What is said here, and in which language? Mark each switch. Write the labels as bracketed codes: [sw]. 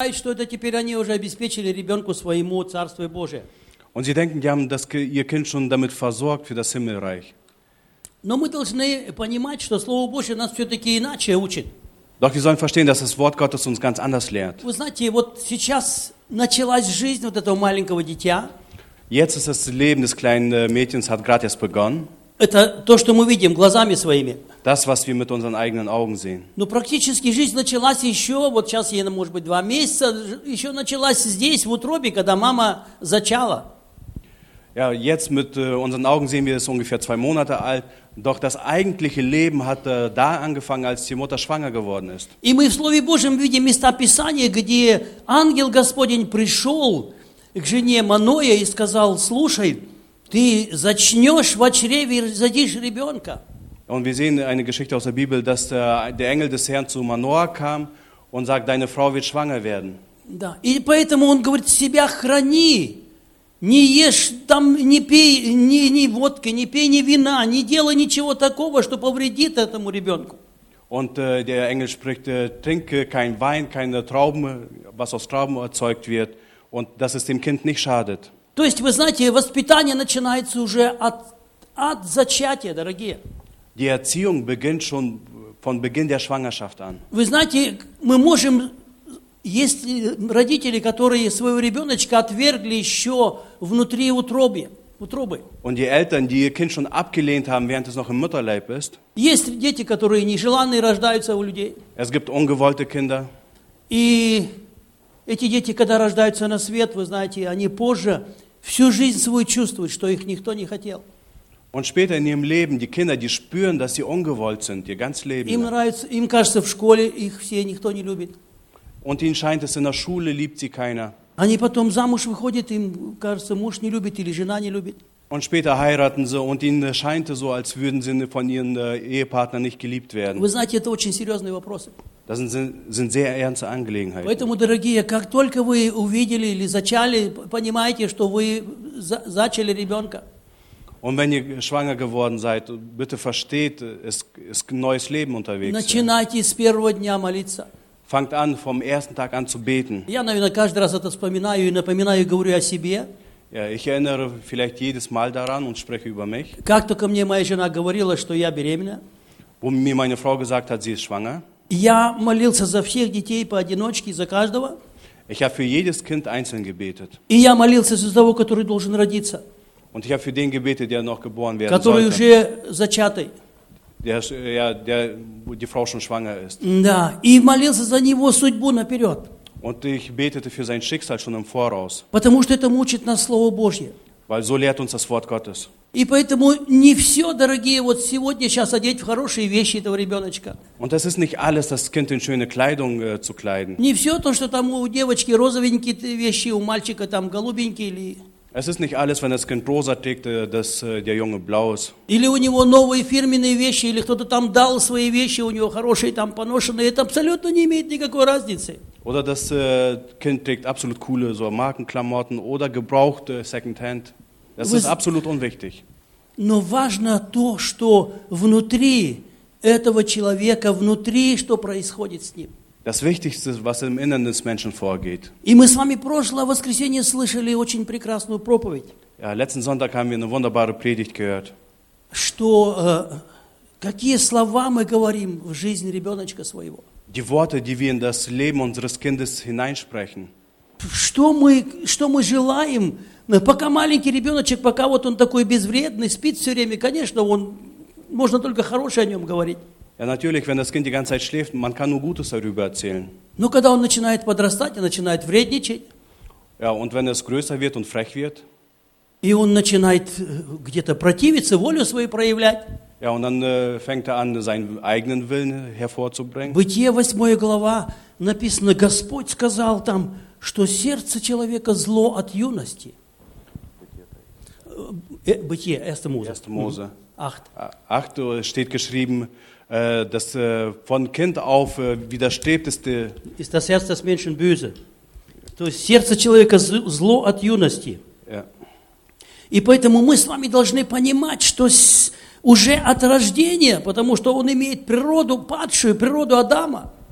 [ru] Weiß, что это теперь они уже обеспечили ребенку своему Царство Божие. [de] Und sie denken, die haben das, ihr Kind schon damit versorgt für das Himmelreich. [ru] Но мы должны понимать, что Слово Божие нас все-таки иначе учит. [de] Doch wir sollen verstehen, dass das Wort Gottes uns ganz anders lehrt. [ru] Вы знаете, вот сейчас началась жизнь вот этого маленького дитя. [de] Jetzt ist das Leben des kleinen Mädchens hat gerade erst begonnen. [ru] Это то, что мы видим глазами своими. [de] Das, was wir mit unseren eigenen Augen sehen. [ru] Но практически жизнь началась еще, вот сейчас ей, может быть, 2 месяца, еще началась здесь, в утробе, когда мама зачала. [de] Ja, jetzt mit unseren Augen sehen wir, es ungefähr 2 Monate alt. Doch das eigentliche Leben hat da angefangen, als die Mutter schwanger geworden ist. [ru] И мы в Слове Божьем видим места Писания, где ангел Господень пришел к жене Маноя и сказал, слушай, ты зачнешь в чреве и родишь ребенка. [de] Und wir sehen eine Geschichte aus der Bibel, dass der Engel des Herrn zu Manoah kam und sagt, deine Frau wird schwanger werden. [ru] Да. И поэтому он говорит, себя храни. Не ешь там, не пей ни водки, не пей ни вина, не делай ничего такого, что повредит этому ребенку. [de] Und der Engel spricht, trinke kein Wein, keine Trauben, was aus Trauben erzeugt wird, und dass es dem Kind nicht schadet. [ru] То есть, вы знаете, воспитание начинается уже от зачатия, дорогие. [de] Die Erziehung beginnt schon von Beginn der Schwangerschaft an. [ru] Вы знаете, мы можем, есть родители, которые своего ребеночка отвергли еще внутри утробы. [de] Und die Eltern, die ihr Kind schon abgelehnt haben, während es noch im Mutterleib ist. [ru] Есть дети, которые нежеланные рождаются у людей. [de] Es gibt ungewollte Kinder. [ru] И эти дети, когда рождаются на свет, вы знаете, они позже всю жизнь свою чувствуют, что их никто не хотел. [de] Und später in ihrem Leben, die Kinder, die spüren, dass sie ungewollt sind, ihr ganzes Leben. [ru] Им нравится, им кажется, в школе их все никто не любит. [de] Und ihnen scheint es, in der Schule liebt sie keiner. [ru] Они потом замуж выходят, им кажется, муж не любит или жена не любит. [de] Und später heiraten sie und ihnen scheint es so, als würden sie von ihren Ehepartnern nicht geliebt werden. [ru] Вы знаете, это очень серьезные вопросы. [de] Das sind sehr ernste Angelegenheiten. [ru] Поэтому, дорогие, как только вы увидели или зачали, понимаете, что вы зачали ребенка. [de] Und wenn ihr schwanger geworden seid, bitte versteht, es ist ein neues Leben unterwegs. [ru] Начинайте с первого дня молиться. [de] Fangt an, vom ersten Tag an zu beten. [ru] Я, наверное, каждый раз это вспоминаю и напоминаю, говорю о себе. [de] Ja, ich erinnere vielleicht jedes Mal daran und spreche über mich. [ru] Как-то ко мне моя жена говорила, что я беременна. [de] Wo mir meine Frau gesagt hat, sie ist schwanger. [ru] Я молился за всех детей поодиночке, за каждого. [de] Ich habe für jedes Kind einzeln gebetet. [ru] И я молился за того, который должен родиться. [de] Und ich habe für den gebetet, der noch geboren werden [ru] который [de] sollte. [ru] Уже зачатый. [de] Die Frau schon schwanger ist. [ru] Да, и молился за него судьбу наперед. [de] Und ich betete für sein Schicksal schon im Voraus. [ru] Потому что это мучит нас Слово Божье. [de] Weil so lehrt uns das Wort Gottes. [ru] И поэтому не все, дорогие, вот сегодня сейчас одеть в хорошие вещи этого ребеночка. [de] Und das ist nicht alles, das Kind in schöne Kleidung zu kleiden. [ru] Не все то, что там у девочки розовенькие вещи, у мальчика там голубенькие или... [de] Es ist nicht alles, wenn das Kind rosa trägt, dass der Junge blau ist. [ru] Или у него новые фирменные вещи, или кто-то там дал свои вещи, у него хорошие там поношенные, это абсолютно не имеет никакой разницы. [de] Oder das Kind trägt absolut coole so Markenklamotten oder gebrauchte Secondhand. Das ist absolut unwichtig. [ru] Но важно то, что внутри этого человека, внутри, что происходит с ним. [de] Das Wichtigste, was im Inneren des Menschen vorgeht. [ru] И мы с вами прошлое воскресенье слышали очень прекрасную проповедь. [de] Ja, letzten Sonntag haben wir eine wunderbare Predigt gehört. [ru] Что, какие слова мы говорим в жизнь ребеночка своего? [de] Die Worte, die wir in das Leben unseres Kindes hineinsprechen. [ru] Что мы желаем, пока маленький ребеночек, пока вот он такой безвредный, спит все время, конечно, он, можно только хорошее о нем говорить. [de] Ja, natürlich, wenn das Kind die ganze Zeit schläft, man kann nur Gutes darüber erzählen. [ru] Но когда он начинает подрастать, он начинает вредничать. [de] Ja, und wenn es größer wird und frech wird. [ru] И он начинает где-то противиться, волю свою проявлять. [de] Ja, und dann fängt an, seinen eigenen Willen hervorzubringen. [ru] Бытие 8 глава написано, Господь сказал там, что сердце человека зло от юности. [de] Бытие, 1 Мозе. 1 Мозе. 8. 8 steht geschrieben, dass von Kind auf widerstrebt ist der ist das Herz des Menschen böse. [ru] То есть сердце человека зло от юности. И поэтому мы с вами должны понимать, что уже от рождения, потому что он имеет природу падшую, природу Адама.